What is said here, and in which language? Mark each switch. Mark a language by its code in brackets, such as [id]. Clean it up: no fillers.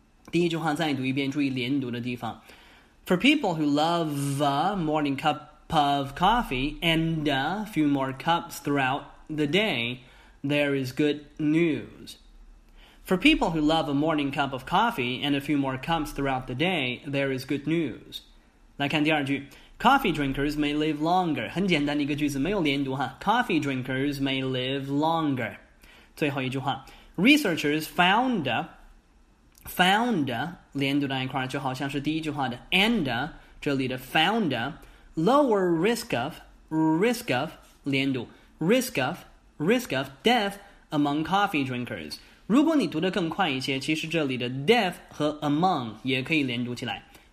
[zh] 第一句话再读一遍，注意连读的地方。 [en] For people who love a morning cup of coffee and a few more cups throughout the day, there is good news. For people who love a morning cup of coffee and a few more cups throughout the day, there is good news. [zh] 来看第二句。 [en] Coffee drinkers may live longer. [zh] 很简单的一个句子，没有连读哈。 [en] Coffee drinkers may live longer. [zh] 最后一句话。 [en] Researchers found a, [zh] 连读到一块儿，就好像是第一句话的 [en] and a, 这里的 found a, lower risk of, 连读 risk of death among coffee drinkers. [zh] 如果你读得更快一些，其实这里的 death 和 among 也可以连读起来。